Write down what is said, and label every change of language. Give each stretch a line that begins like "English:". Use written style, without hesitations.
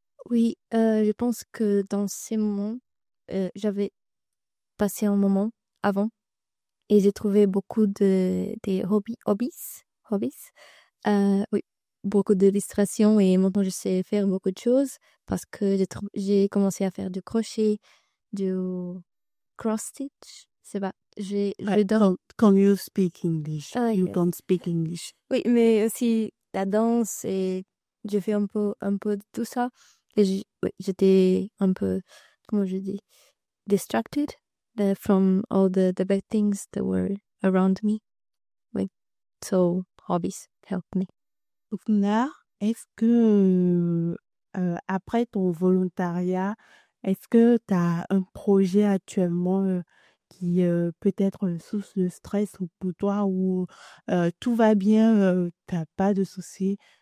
French: Oui, je pense que dans ces moments, j'avais passé un moment avant et j'ai trouvé beaucoup de hobbies, oui, beaucoup de distractions et maintenant je sais faire beaucoup de choses parce que j'ai commencé à faire du crochet, du cross-stitch, c'est pas, je danse.
English: Can you speak English? You Yes. can't speak English.
French: Oui, mais aussi la danse et je fais un peu de tout ça. Et j'étais un peu, comment je dis,
English: distracted from all the bad things that were around me. Oui. So, hobbies help me.
French: Là, est-ce que après ton volontariat, est-ce que tu as un projet actuellement qui peut être une source de stress pour toi ou tout va bien, tu n'as pas de soucis?